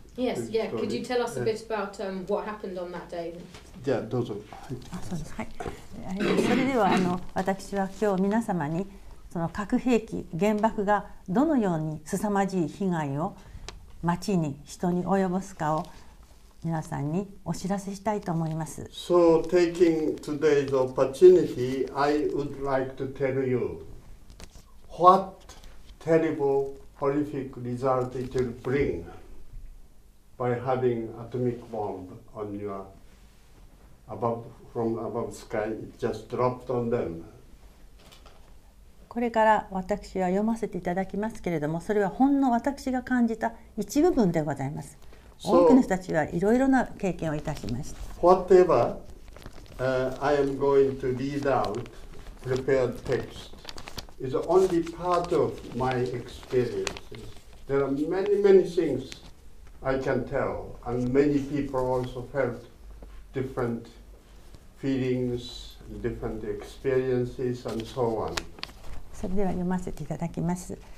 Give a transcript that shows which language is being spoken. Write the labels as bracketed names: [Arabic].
[English] Yes, yeah. Could you tell us a bit about what happened on that day? [Japanese] Yeah, どうぞ。あ、そうです。はい。それでは私は今日皆様にその核兵器、原爆がどのように凄まじい被害を町に人に及ぼすかを皆さんにお知らせしたいと思います。 [English] So taking today's opportunity, I would like to tell you what terrible horrific result it will bring by having atomic bomb on your from above sky, it just dropped on them. [Japanese] これから私は読ませていただきますけれども、それはほんの私が感じた一部分でございます。多くの人たちはいろいろな経験をいたしました。 [English] Whatever, I am going to read out prepared text is only part of my experiences. There are many, many things I can tell, and many people also felt different feelings, different experiences, and so on. [Japanese] それでは読ませていただきます。